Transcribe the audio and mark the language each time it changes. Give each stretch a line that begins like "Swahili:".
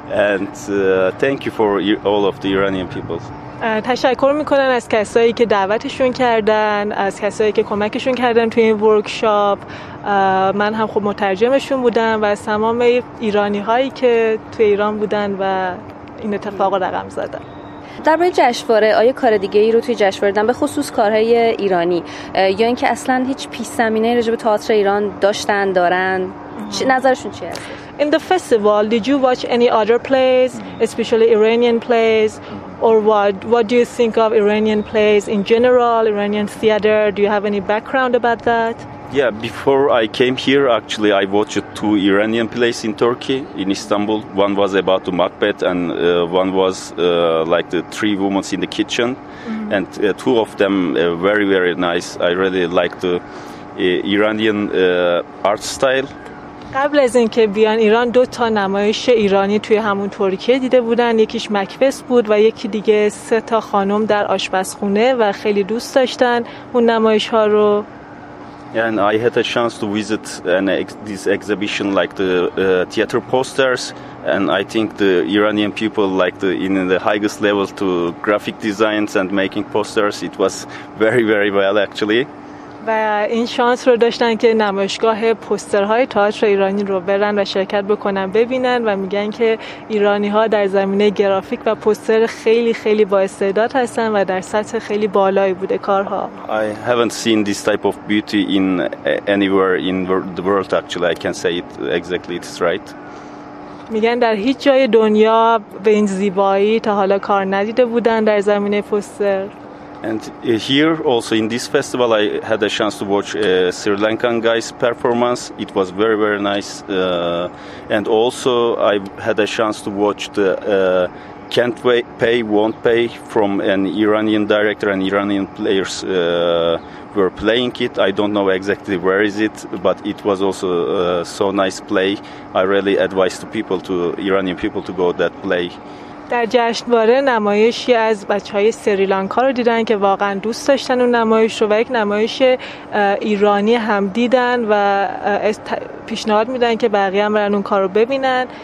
English: And thank you for all of the Iranian people.
Persian: تشکر میکنن از کسایی که دعوتشون کردن، از کسایی که کمکشون کردن توی این ورکشاپ. من هم خب مترجمشون بودم و از تمام ایرانی هایی که توی ایران بودن و این اتفاق رقم زدن. در باید جشنواره آیا کار دیگه ای رو توی جشنواره دن به خصوص کارهای ایرانی، یا اینکه اصلا هیچ پیش زمینه راجع به تئاتر ایران داشتن دارن؟ نظرشون چیه؟
English: In the festival, did you watch any other plays, especially Iranian plays, or what do you think of Iranian plays in general, Iranian theater? Do you have any background about that? Yeah, before I came here, actually, I watched two Iranian plays in Turkey, in Istanbul. One was about the Macbeth, and one was like the three women in the kitchen. Mm-hmm. And two of them are very, very nice. I really like the Iranian art style.
Persian: قبل از اینکه بیان ایران دو تا نمایش ایرانی توی همون ترکیه دیده بودن، یکیش مکبث بود و یکی دیگه سه تا خانم در آشپزخونه، و خیلی دوست داشتن اون نمایش ها رو.
English: And I had a chance to visit this exhibition like the theater posters, and I think the Iranian people like the in the highest level to graphic designs and making posters. It was very very well actually.
Persian: و این شانس رو داشتن که نمایشگاه پوسترهای تئاتر ایرانی رو برن و شرکت بکنن ببینن، و میگن که ایرانی ها در زمینه گرافیک و پوستر خیلی خیلی با استعداد هستن و در سطح خیلی بالایی بوده کارها.
English: I haven't seen this type of beauty in anywhere in the world actually. I can say it exactly, it's right.
Persian: میگن در هیچ جای دنیا به این زیبایی تا حالا کار ندیده بودن در زمینه پوستر.
English: And here also in this festival I had a chance to watch a Sri Lankan guy's performance. It was very very nice. And also I had a chance to watch the Can't Pay Won't Pay from an Iranian director, and Iranian players were playing it. I don't know exactly where is it, but it was also so nice play. I really advise Iranian people to go that play.
Persian: در جشنواره نمایشی از بچهای سریلانکا رو دیدن که واقعا دوست داشتن اون نمایش رو، و یک نمایش ایرانی هم دیدن و پیشنهاد میدن که بقیه هم برن اون کار رو ببینن.